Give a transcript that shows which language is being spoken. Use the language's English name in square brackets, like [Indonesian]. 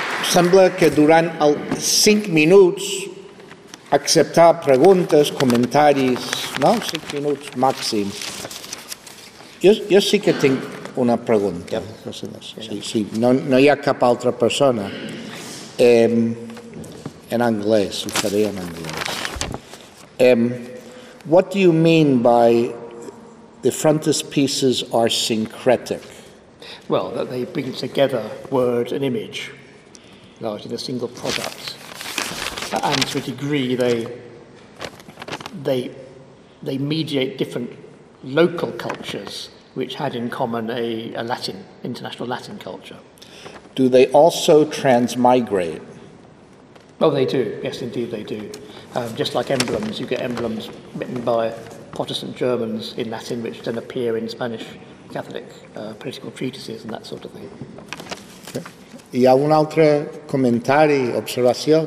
[Catalan] Sembla que durant els 5 minuts acceptar preguntes, comentaris, no? 5 minuts màxim. Jo sí que tinc una pregunta. Sí. No hi ha cap altra persona. En anglès, ho faré en anglès. [English] What do you mean by the frontispieces are syncretic? Well, that they bring together word and image, largely in a single product. And to a degree, they mediate different local cultures which had in common a Latin, international Latin culture. Do they also transmigrate? Oh, they do. Yes, indeed, they do. Just like emblems, you get emblems written by Protestant Germans in Latin, which then appear in Spanish Catholic political treatises and that sort of thing. Okay. [Catalan] Hi ha un altre comentari, observació?